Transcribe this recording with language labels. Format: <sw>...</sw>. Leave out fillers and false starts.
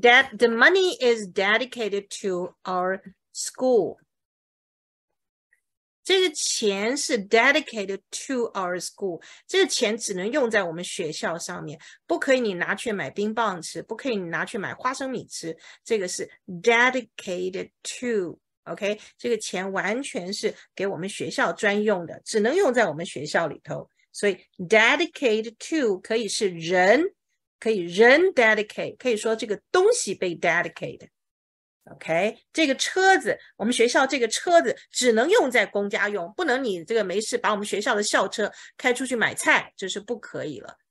<en>That the money is dedicated to our school.</en> <zh>这个钱是</zh> <en>dedicated to our school.</en> <zh>这个钱只能用在我们学校上面，不可以你拿去买冰棒吃，不可以你拿去买花生米吃。这个是</zh> <en>dedicated to.</en> <zh>OK， 这个钱完全是给我们学校专用的，只能用在我们学校里头。所以 dedicated to 可以是人。可以人 dedicate， 可以说这个东西被 dedicated， OK， 这个车子，我们学校这个车子只能用在公家用，不能你这个没事把我们学校的校车开出去买菜，这是不可以了。</zh>